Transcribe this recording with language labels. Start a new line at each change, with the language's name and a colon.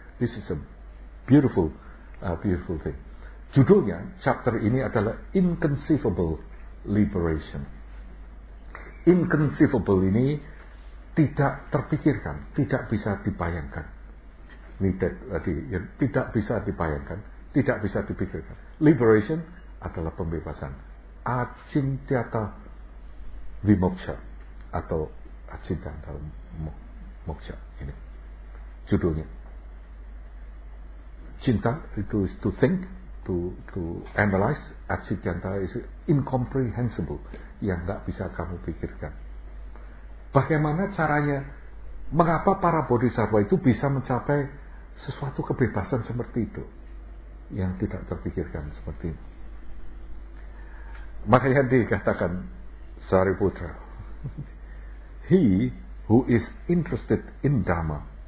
English: This is a beautiful, beautiful thing.
Indonesian: Judulnya, chapter ini adalah Inconceivable Liberation. Inconceivable ini tidak terpikirkan, tidak bisa dibayangkan. Tidak bisa dibayangkan, tidak bisa dipikirkan. Liberation adalah pembebasan. Acintyata Vimoksha atau Acintyata Moksha ini judulnya. Cinta itu
English: is to think, to analyze. Acintyata is incomprehensible,
Indonesian: yang tidak bisa kamu pikirkan. Bagaimana caranya, mengapa para bodhisattva itu bisa mencapai sesuatu kebebasan seperti itu yang tidak terpikirkan seperti ini. Makanya dikatakan
English: Sariputra, he who is interested in Dharma.